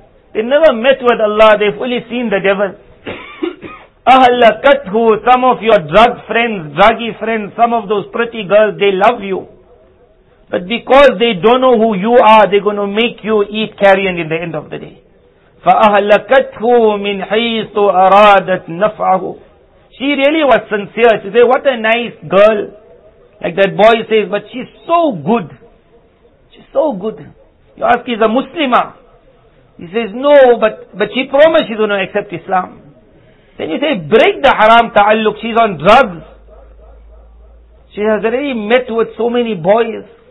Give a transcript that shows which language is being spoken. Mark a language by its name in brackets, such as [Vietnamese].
[English] They've never met with Allah. They've only seen the devil. Ahlakathu, some of your drug friends, druggy friends, some of those pretty girls, they love you. But because they don't know who you are, they're going to make you eat carrion in the end of the day. [Arabic] فَأَهْلَكَتْهُ مِنْ حَيْثُ أَرَادَتْ نَفْعَهُ [English] She really was sincere. She said, what a nice girl. Like that boy says, but she's so good. She's so good. You ask, is a Muslimah? He says, no, but she promised she's going to accept Islam. Then you say, break the haram ta'alluq. She's on drugs. She has already met with so many boys.